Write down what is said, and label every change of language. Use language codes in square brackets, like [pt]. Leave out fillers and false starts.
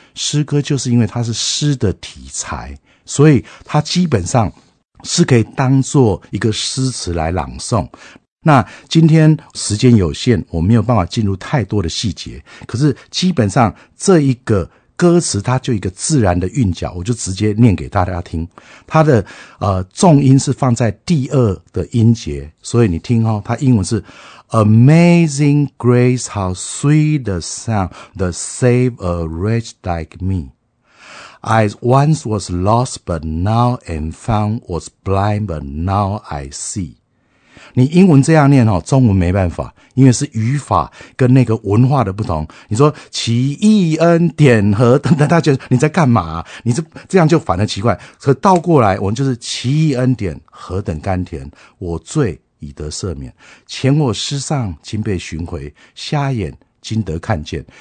[zh] 诗歌就是因为它是诗的题材，所以它基本上是可以当作一个诗词来朗诵。那今天时间有限，我没有办法进入太多的细节，可是基本上这一个歌词它就一个自然的韵脚，我就直接念给大家听。它的重音是放在第二的音节，所以你听哦，它英文是 [en] Amazing Grace how sweet the sound that saved a wretch like me. I once was lost but now am found, was blind but now I see. [zh] 你英文这样念齁，中文没办法，因为是语法跟那个文化的不同。你说奇异恩典和等等，大家你在干嘛、啊、你这样就反而奇怪。可倒过来，我们就是奇异恩典何等甘甜，我罪已得赦免，前我失丧竟被寻回，瞎眼今得看见。